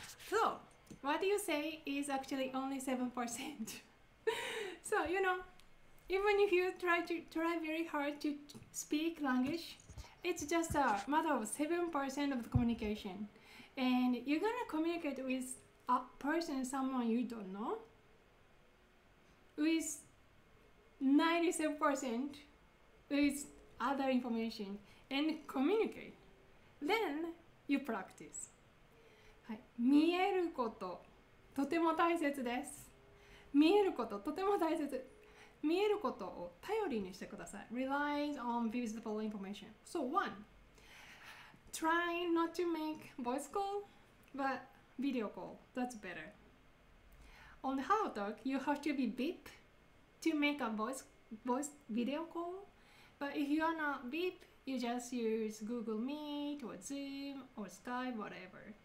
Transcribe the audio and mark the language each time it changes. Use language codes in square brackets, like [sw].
[en] So what do you say is actually only 7%. So, you know, even if you try very hard to speak language,It's just a matter of 7% of the communication. And you're gonna communicate with a person, someone you don't know, with 97% with other information and communicate. Then you practice. [ja] はい、見えることとても大切です。見えることとても大切。見えることを頼りにしてください。 [en] Relies on visible information. So one, try not to make voice call, but video call. That's better. on the Hello Talk, you have to be beep to make a voice video call. But if you are not beep, you just use Google Meet or Zoom or Skype, whatever.